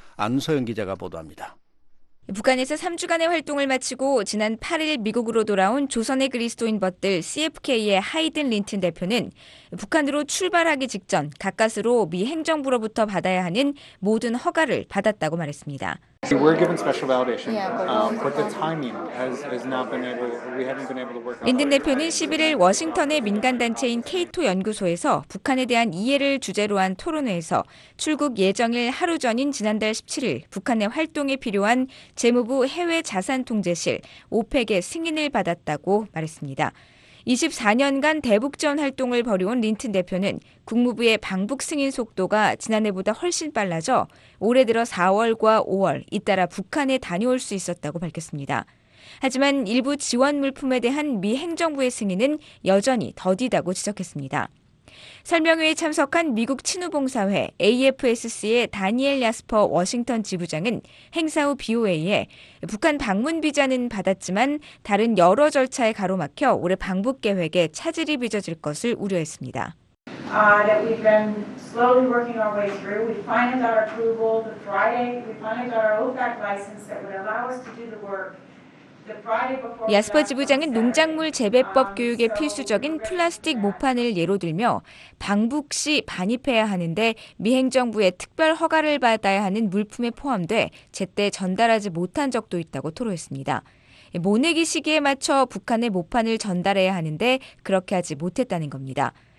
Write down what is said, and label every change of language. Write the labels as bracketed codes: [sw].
[ko] 안소영 기자가 보도합니다. 북한에서 3주간의 활동을 마치고 지난 8일 미국으로 돌아온 조선의 그리스도인 벗들 CFK의 하이든 린튼 대표는 북한으로 출발하기 직전 가까스로 미 행정부로부터 받아야 하는 모든 허가를 받았다고 말했습니다. [en] We're given special validation, but the timing has not been able. We haven't been able to work. [ko] 린튼 대표는 11일 워싱턴의 민간 단체인 케이토 연구소에서 북한에 대한 이해를 주제로 한 토론회에서 출국 예정일 하루 전인 지난달 17일 북한의 활동에 필요한 재무부 해외 자산 통제실 OPEC의 승인을 받았다고 말했습니다. 24년간 대북 지원 활동을 벌여온 린튼 대표는 국무부의 방북 승인 속도가 지난해보다 훨씬 빨라져 올해 들어 4월과 5월 잇따라 북한에 다녀올 수 있었다고 밝혔습니다. 하지만 일부 지원 물품에 대한 미 행정부의 승인은 여전히 더디다고 지적했습니다. 설명회에 참석한 미국 친우봉사회 AFSC의 다니엘 야스퍼 워싱턴 지부장은 행사 후 BOA에 북한 방문 비자는 받았지만 다른 여러 절차에 가로막혀 올해 방북 계획에 차질이 빚어질 것을 우려했습니다. [en] That we've been slowly working our way through. We finally got our approval the Friday. We finally got our OPEC license that would allow us to do the work. [ko] 야스퍼 지부장은 농작물 재배법 교육에 필수적인 플라스틱 모판을 예로 들며 방북 시 반입해야 하는데 미 행정부의 특별 허가를 받아야 하는 물품에 포함돼 제때 전달하지 못한 적도 있다고 토로했습니다. 모내기 시기에 맞춰 북한의 모판을 전달해야 하는데 그렇게 하지 못했다는 겁니다.